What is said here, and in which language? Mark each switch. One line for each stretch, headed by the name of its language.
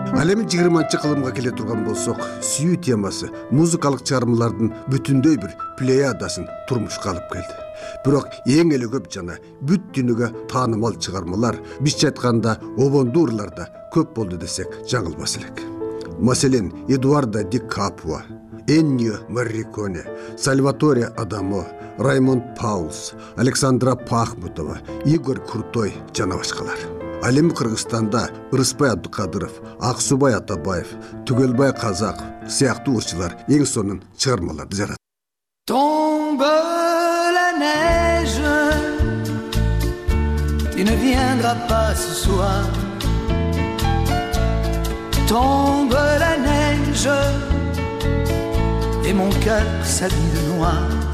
Kyrgyz: Эми 20-чы кылымга келе турган болсок, сүйүү темасы музыкалык чыгармалардын бүтүндөй бир плеядасын турмушка алып келди. Бирок эң эле көп жана бүт дүйнөгө таанымал чыгармалар биз айтканда обондуу ырларда көп болду десек жаңылбас элек. Маселен, Эдуардо ди Капуа, Эннио Моррикони, Сальваторе Адамо, Раймонд Паулс, Александра Пахмутова, Игорь Крутой жана башкалар. Ал эми Кыргызстанда Ырысбай Абдыкадыров, Аксубай Атабаев, Түгөлбай Казак сыяктуу ырчылар эң сонун чыгармаларды жаратты.
French: Tombe la neige, tu ne viendras pas ce soir. Tombe la neige, et mon cœur s'habille noir.